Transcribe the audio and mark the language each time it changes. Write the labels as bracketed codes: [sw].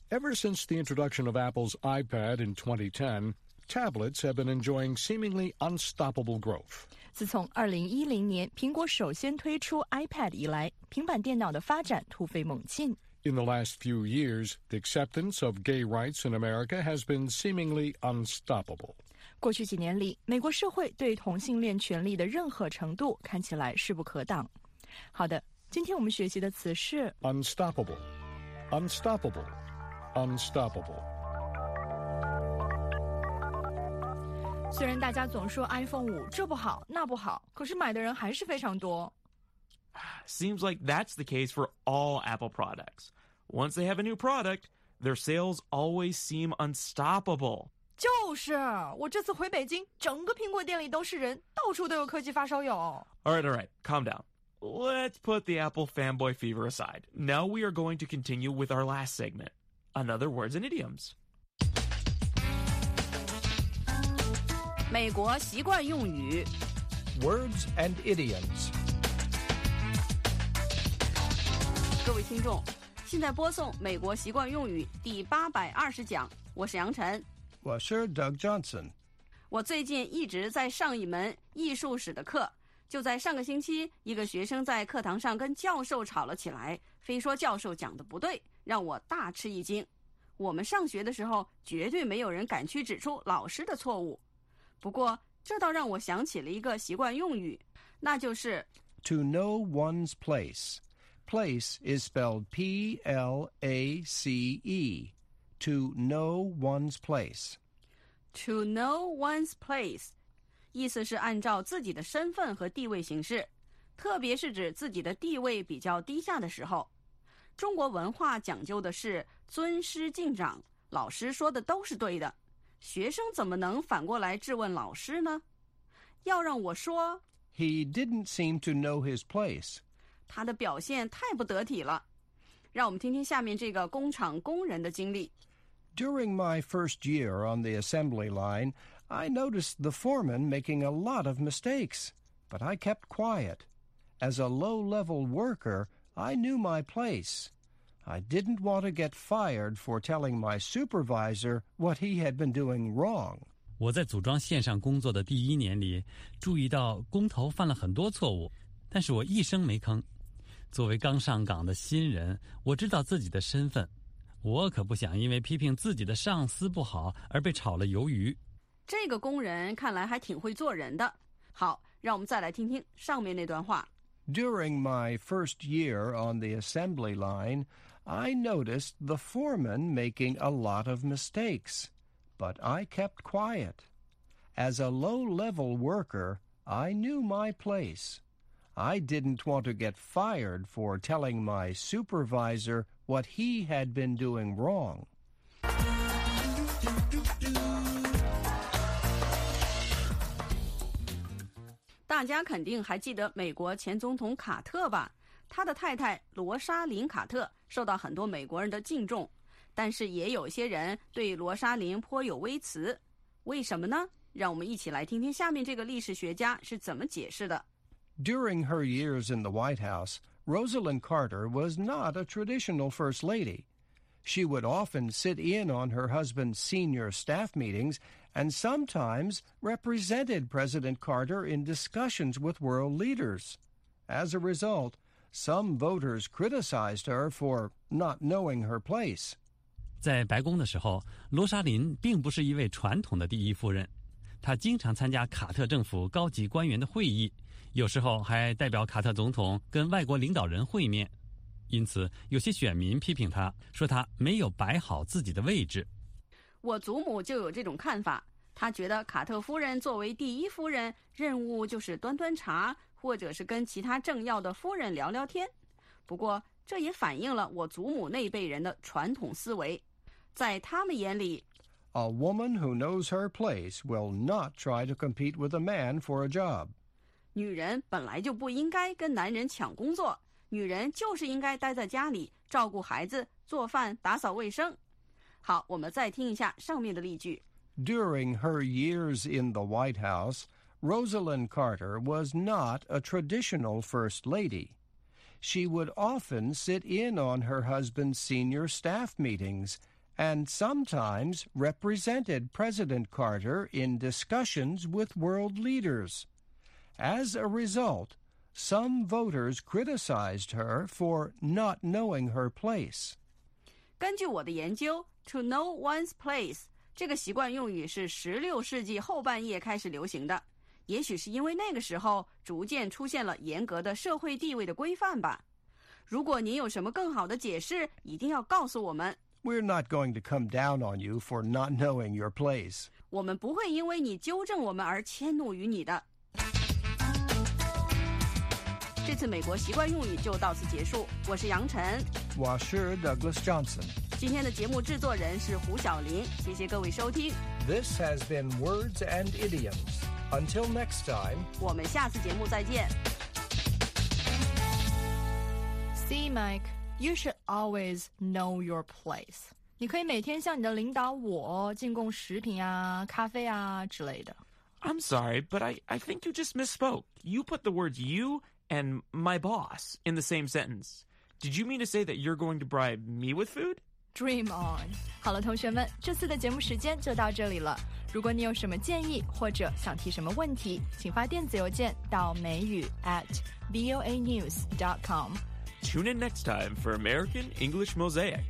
[en] Ever since the introduction of Apple's iPad in 2010, tablets have been enjoying seemingly unstoppable growth. [zh] 自从2010年苹果首先推出 iPad 以来，平板电脑的发展突飞猛进。 [en] In the last few years, the acceptance of gay rights in America has been seemingly unstoppable. [zh] 过去几年里，美国社会对同性恋权利的任何程度看起来势不可挡。好的，今天我们学习的词是 [en] unstoppable, unstoppable, unstoppable. [zh] 虽然大家总说 iPhone 5这不好那不好，可是买的人还是非常多。 [en] Seems like that's the case for all Apple products. Once they have a new product, their sales always seem unstoppable. [zh] 就是，我这次回北京，整个苹果店里都是人，到处都有科技发烧友。 [en] All right, calm down. Let's put the Apple fanboy fever aside. Now we are going to continue with our last segment, another words and idioms. [zh] 美国习惯用语 [en] Words and idioms [zh] 各位听众现在播送美国习惯用语第820讲我是杨晨我是 Doug Johnson 我最近一直在上一门艺术史的课就在上个星期一个学生在课堂上跟教授吵了起来非说教授讲的不对让我大吃一惊我们上学的时候绝对没有人敢去指出老师的错误不过这倒让我想起了一个习惯用语那就是 [en] To know one's place Place is spelled P-L-A-C-E To know one's place To know one's place [zh] 意思是按照自己的身份和地位行事，特别是指自己的地位比较低下的时候。中国文化讲究的是尊师敬长，老师说的都是对的，学生怎么能反过来质问老师呢？要让我说， [en] He didn't seem to know his place. [zh] 他的表现太不得体了。让我们听听下面这个工厂工人的经历。 [en] During my first year on the assembly line, I noticed the foreman making a lot of mistakes, but I kept quiet. As a low-level worker, I knew my place. I didn't want to get fired for telling my supervisor what he had been doing wrong. [zh] 我在组装线上工作的第一年里，注意到工头犯了很多错误，但是我一声没吭。作为刚上岗的新人，我知道自己的身份。我可不想因为批评自己的上司不好而被炒了鱿鱼。这个工人看来还挺会做人的。好，让我们再来听听上面那段话。 [en] During my first year on the assembly line, I noticed the foreman making a lot of mistakes, but I kept quiet. As a low-level worker, I knew my place. I didn't want to get fired for telling my supervisor what he had been doing wrong. [zh] 大家肯定还记得美国前总统卡特吧？他的太太罗莎琳·卡特受到很多美国人的敬重，但是也有些人对罗莎琳颇有微词。为什么呢？让我们一起来听听下面这个历史学家是怎么解释的。 [en] During her years in the White House, Rosalynn Carter was not a traditional first lady. She would often sit in on her husband's senior staff meetings and sometimes represented President Carter in discussions with world leaders. As a result, some voters criticized her for not knowing her place. [zh] 在白宫的时候，罗莎琳并不是一位传统的第一夫人，她经常参加卡特政府高级官员的会议，有时候还代表卡特总统跟外国领导人会面，因此有些选民批评他，说他没有摆好自己的位置。我祖母就有这种看法，她觉得卡特夫人作为第一夫人，任务就是端端茶，或者是跟其他政要的夫人聊聊天。不过这也反映了我祖母那辈人的传统思维，在他们眼里， [en] A woman who knows her place will not try to compete with a man for a job. [zh] 女人本来就不应该跟男人抢工作，女人就是应该待在家里照顾孩子、做饭、打扫卫生。好，我们再听一下上面的例句。 [en] During her years in the White House, Rosalynn Carter was not a traditional first lady. She would often sit in on her husband's senior staff meetings and sometimes represented President Carter in discussions with world leaders. As a result, some voters criticized her for not knowing her place. [zh] 根据我的研究 , [en] to know one's place, [zh] 这个习惯用语是16世纪后半叶开始流行的。也许是因为那个时候逐渐出现了严格的社会地位的规范吧。如果您有什么更好的解释，一定要告诉我们。 [en] We're not going to come down on you for not knowing your place. [zh] 我们不会因为你纠正我们而迁怒于你的。这次美国习惯用语就到此结束，我是杨晨，我是 Douglas Johnson，今天的节目制作人是胡晓林，谢谢各位收听。 [en] This has been Words and Idioms. Until next time， [zh] 我们下次节目再见。 [en] See Mike, you should always know your place. [zh] 你可以每天向你的领导我进贡食品啊、咖啡啊之类的。 [en] I'm sorry, but I think you just misspoke. You put the words youand my boss in the same sentence. Did you mean to say that you're going to bribe me with food? Dream on. [zh] 好了，同学们，这次的节目时间就到这里了。如果你有什么建议或者想提什么问题，请发电子邮件到美语@voanews.com. [en] Tune in next time for American English Mosaic.